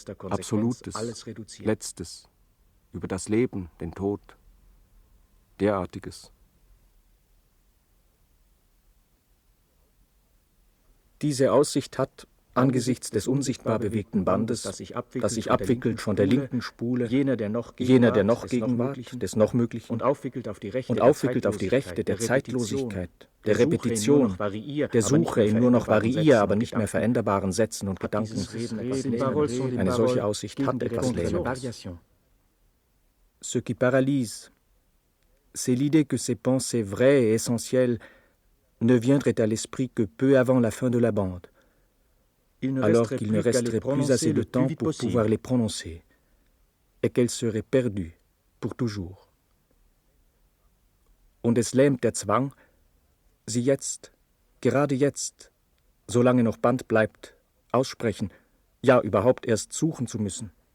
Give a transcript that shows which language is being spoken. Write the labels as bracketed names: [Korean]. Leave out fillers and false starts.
[German] Absolutes, letztes, über das Leben, den Tod, derartiges. Diese Aussicht hat, angesichts des unsichtbar bewegten Bandes, das sich abwickelt von der linken Spule, jener, der noch Gegenwart, des noch Möglichen, und aufwickelt auf die Rechte der Zeitlosigkeit, der Repetition, der Suche in nur noch variier, aber nicht mehr veränderbaren Sätzen und Gedanken, eine solche Aussicht hat etwas Lähmendes. [French] Ce qui paralyse, c'est l'idée que ces pensées vraies et essentielles ne viendraient à l'esprit que peu avant la fin de la bande, alors qu'il ne resterait plus assez de temps pour pouvoir les prononcer, et qu'elles seraient perdues pour toujours. [German] Und es lähmt der Zwang, sie jetzt, gerade jetzt, solange noch Band bleibt, aussprechen, ja, überhaupt erst suchen zu müssen.